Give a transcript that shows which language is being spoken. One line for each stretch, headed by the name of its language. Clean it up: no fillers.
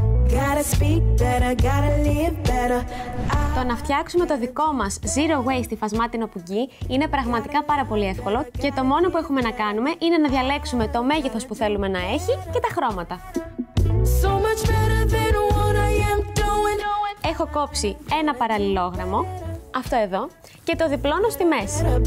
English: Gotta speak better, gotta live better.
Greek: Το να φτιάξουμε το δικό μας Zero Waste στη Φασμάτινο Πουγγί είναι πραγματικά πάρα πολύ εύκολο και το μόνο που έχουμε να κάνουμε είναι να διαλέξουμε το μέγεθος που θέλουμε να έχει και τα χρώματα.
English: So much better than what I am doing.
Greek: Έχω κόψει ένα παραλληλόγραμμο, αυτό εδώ, και το διπλώνω στη μέση.